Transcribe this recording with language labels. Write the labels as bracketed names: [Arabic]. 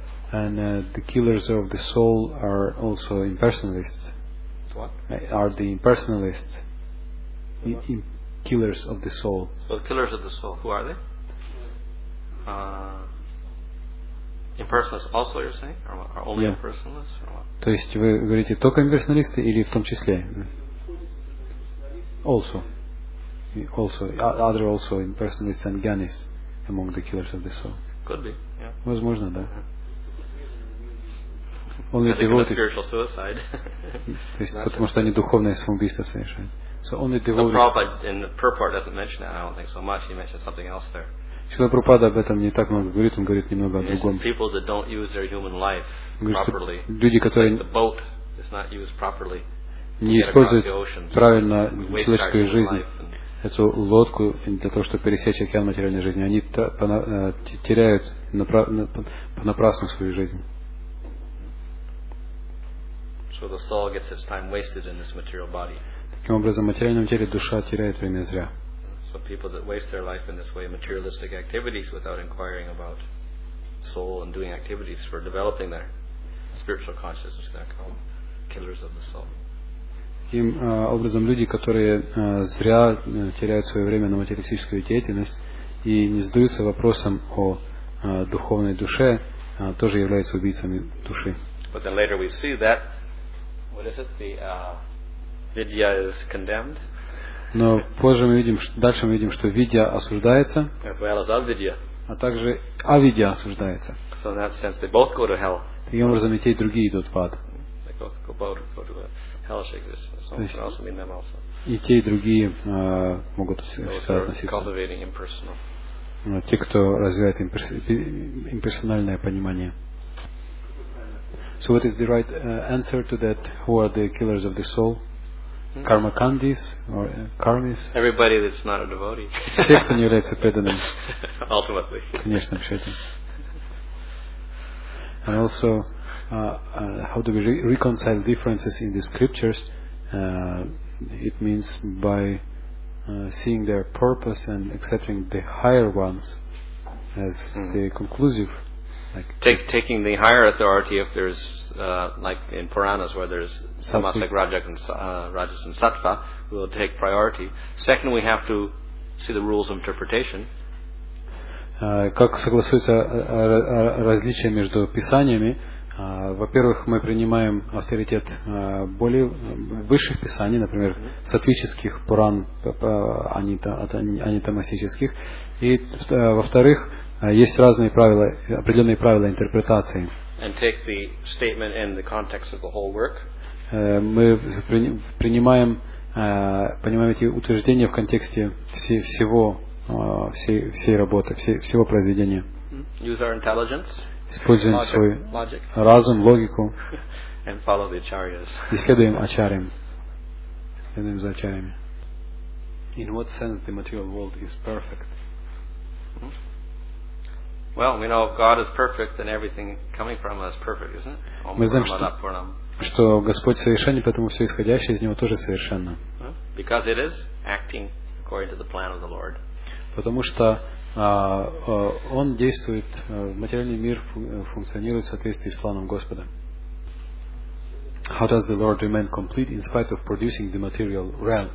[English] And the killers of the soul are also impersonalists. What? Are the impersonalists. Killers of the soul. So the killers of the soul, who are they? Impersonalists also, you're saying? Or only impersonalists? [Russian] То есть вы говорите только имперсоналисты или в том числе? [English] Also. Also. Other also impersonalists and jnanis among the killers of the soul. Could be, yeah. [Russian] Возможно, да. [English] Only devotees. [Russian] То есть потому что они духовное самоубийство совершают. [English] So only devotees. The Prabhupada in the purport doesn't mention it. I don't think so much. He mentions something else there. [Russian] Шрила Прабхупада об этом не так много говорит. Он говорит немного о другом. [English] People that don't use their human life properly. [Russian] Люди, которые [English] the boat is not used properly. [Russian] Не используют правильно человеческую жизнь, эту лодку для того, чтобы пересечь океан материальной жизни. Они теряют понапрасну свою жизнь. [English] So the soul gets its time wasted in this material body. [Russian] Таким образом, в материальном теле душа теряет время зря. [English] So people that waste their life in this way, materialistic activities, without inquiring about soul and doing activities for developing their spiritual consciousness, they're called killers of the soul. [Russian] Таким образом, люди, которые зря теряют свое время на материалистическую деятельность и не задаются вопросом о духовной душе, тоже являются убийцами души. [English] But then later we see that. What is it? The vidya is condemned. [Russian] Но позже мы видим, дальше мы видим, что видья осуждается. [English] As well as avidya. [Russian] А также авидья осуждается. [English] So in that sense, they both go to hell. [Russian] Таким образом, и те, и другие идут в ад. [English] They both go to hellish existence. So also mean them also. [Russian] И те, и другие могут относиться. [English] Cultivating impersonal. [Russian] Те, кто развивает имперсональное понимание. [English] So what is the right answer to that? Who are the killers of the soul? Mm-hmm. Karmakandis or karmis? Everybody that's not a devotee. [Russian] Все, кто не является преданным. [English] Ultimately. [Russian] Конечно, в счете. [English] And also, how do we reconcile differences in the scriptures? It means by seeing their purpose and accepting the higher ones as the conclusive. Taking the higher authority, if there's like in Puranas where there's samasik rajas and sattva, we will take priority. Second, we have to see the rules of interpretation. [Russian] Как согласуется различие между писаниями? Во-первых, мы принимаем авторитет более высших писаний, например, сатвических Пуран, а не тамасических. И во-вторых. Есть разные правила, определенные правила интерпретации. [English] And take the statement in the context of the whole work. [Russian] Мы принимаем, понимаем эти утверждения в контексте всей работы, всего произведения. [English] Use our intelligence. [Russian] Используем свой [English] logic. [Russian] Разум, логику. [English] And follow the acharyas. [Russian] И следуем ачарьям. Следуем за ачарьями. [English] In what sense the material world is perfect? Well, we know if God is perfect, then everything coming from us is perfect, isn't it? [Russian] Мы знаем, что Господь совершенен, поэтому все исходящее из Него тоже совершенно. [English] Because it is acting according to the plan of the Lord. [Russian] Потому что Он действует, материальный мир функционирует в соответствии с планом Господа. [English] How does the Lord remain complete in spite of producing the material realm?